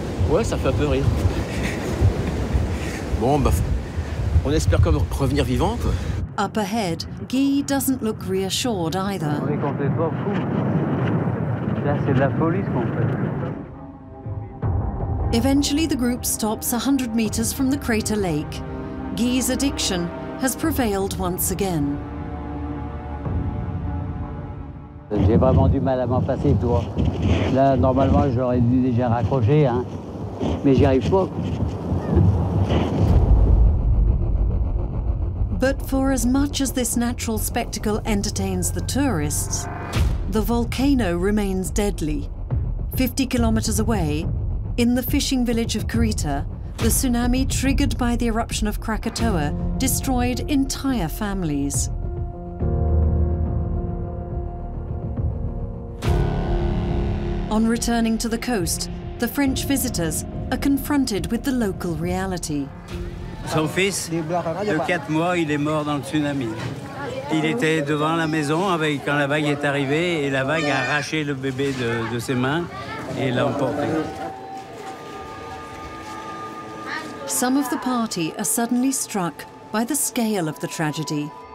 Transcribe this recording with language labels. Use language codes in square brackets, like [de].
[fr] Ouais, ça fait un peu rire. Bon, ben, on espère quand même revenir vivant, quoi. [en] Up ahead, Guy doesn't look reassured either. [fr] On est quand t'es pas fou. Là, c'est de la folie, ce qu'on fait. [en] Eventually, the group stops 100 meters from the crater lake. Guy's addiction has prevailed once again. [fr] J'ai vraiment du mal à m'en passer, toi. Là, normalement, j'aurais dû déjà raccrocher, hein. Mais j'y arrive pas. [en] But for as much as this natural spectacle entertains the tourists, the volcano remains deadly. 50 kilometers away, in the fishing village of Kurita, the tsunami triggered by the eruption of Krakatoa destroyed entire families. On returning to the coast, the French visitors are confronted with the local reality. [fr] Son fils, de 4 mois, il est mort dans le tsunami. Il était devant la maison avec, quand la vague est arrivée, et la vague a arraché le bébé de ses mains et l'a emporté. [en] Some of the party are suddenly struck by the scale of the tragedy.